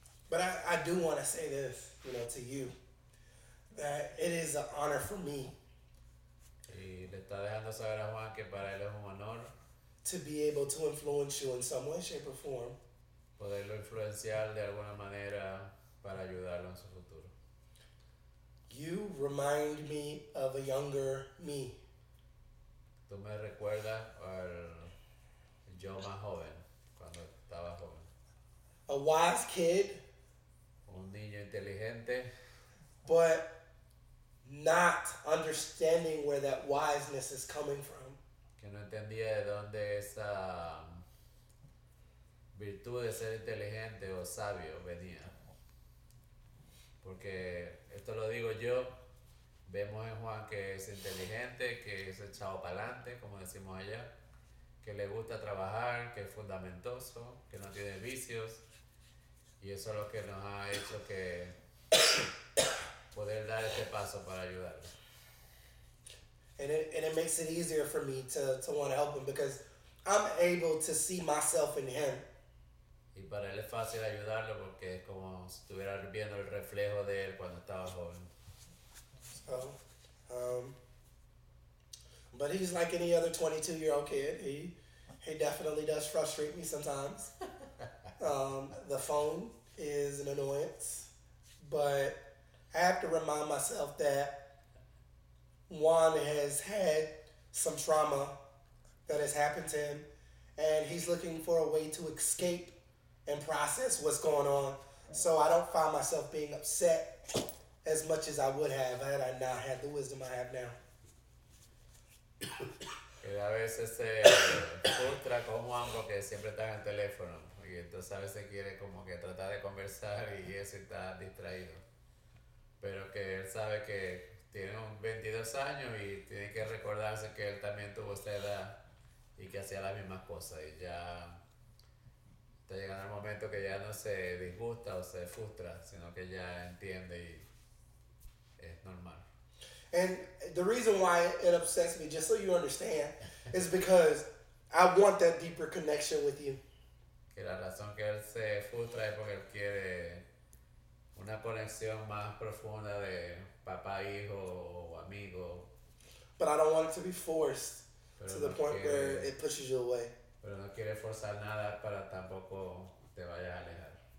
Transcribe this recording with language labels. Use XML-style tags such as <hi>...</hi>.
<en>But I do want to say this, you know, to you, that it is an honor for me.</en> <es>Y le está dejando saber a Juan que para él es un honor.</es> <en>To be able to influence you in some way, shape, or form.</en> <es>Poderlo influenciar de alguna manera para ayudarlo en su futuro.</es> <en>You remind me of a younger me.</en> <es>Tú me recuerdas al yo más joven, cuando estaba joven.</es> <en>A wise kid.</en> <es>Un niño inteligente.</es> <en>But not understanding where that wiseness is coming from.</en> <es>Que no entendía de dónde esa virtud de ser inteligente o sabio venía. Porque, esto lo digo yo, vemos en Juan que es inteligente, que es echado para adelante, como decimos allá, que le gusta trabajar, que es fundamentoso, que no tiene vicios. Y eso es lo que nos ha hecho que poder dar este paso para ayudarlo.</es> <en>And it makes it easier for me to want to help him because I'm able to see myself in him.</en> <es>Y para él es fácil ayudarlo porque es como si estuviera viendo el reflejo de él cuando estaba joven.</es> <en>So, but he's like any other 22-year-old kid. He definitely does frustrate me sometimes. The phone is an annoyance, but I have to remind myself that Juan has had some trauma that has happened to him, and he's looking for a way to escape and process what's going on. So I don't find myself being upset as much as I would have had I not had the wisdom I have now.</en> <es>A veces se frustra con Juan porque siempre está en el teléfono, y entonces a veces quiere como que tratar de conversar y eso está distraído. Pero que él sabe que tiene 22 años y tiene que recordarse que él también tuvo esa edad y que hacía las mismas cosas. Y ya está llegando el momento que ya no se disgusta o se frustra, sino que ya entiende y es normal.</es> <en>And the reason why it upsets me, just so you understand, is because I want that deeper connection with you.</en> <es>Que la razón que él se frustra es porque él quiere una conexión más profunda de papá, hijo, amigo.</es> <en>But I don't want it to be forced to the point where it pushes you away.</en> <es>Pero no quiere forzar nada para tampoco te vayas a alejar.</es>